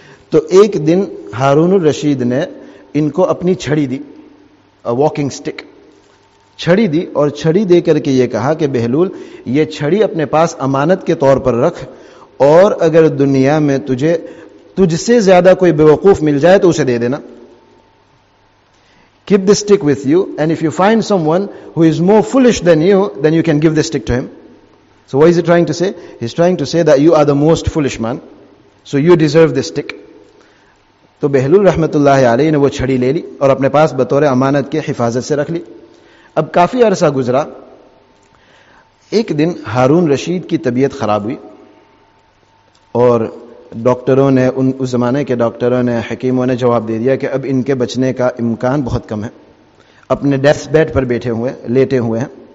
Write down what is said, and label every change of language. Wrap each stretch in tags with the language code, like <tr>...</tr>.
<ur>تو ایک دن ہارون الرشید نے ان کو اپنی چھڑی دی,</ur> <en>a walking stick.</en> <ur>چھڑی دی, اور چھڑی دے کر کے یہ کہا کہ بہلول, یہ چھڑی اپنے پاس امانت کے طور پر رکھ, اور اگر دنیا میں تجھ سے زیادہ کوئی بیوقوف مل جائے تو اسے دے دینا.</ur> <en>Keep this stick with you, and if you find someone who is more foolish than you, then you can give this stick to him. So what is he trying to say? He's trying to say that you are the most foolish man, so you deserve this stick.</en> <ur>تو بہلول رحمت اللہ علیہ نے وہ چھڑی لے لی اور اپنے پاس بطور امانت کے حفاظت سے رکھ لی. اب کافی عرصہ گزرا, ایک دن ہارون رشید کی طبیعت خراب ہوئی اور ڈاکٹروں نے اس زمانے کے ڈاکٹروں نے حکیموں نے جواب دے دیا کہ اب ان کے بچنے کا امکان بہت کم ہے, اپنے ڈیتھ بیڈ پر بیٹھے ہوئے لیٹے ہوئے ہیں.</ur>